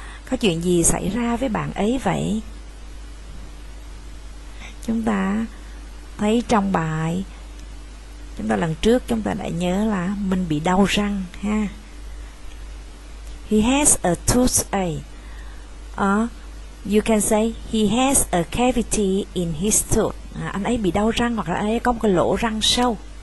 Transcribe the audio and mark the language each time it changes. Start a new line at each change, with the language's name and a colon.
Vietnamese: Có chuyện gì xảy ra với bạn ấy vậy? Chúng ta thấy trong bài, chúng ta lần trước chúng ta đã nhớ là mình bị đau răng ha.
English: He has a toothache. You can say he has a cavity in his tooth.
Vietnamese: Anh ấy bị đau răng hoặc là anh ấy có một cái lỗ răng sâu.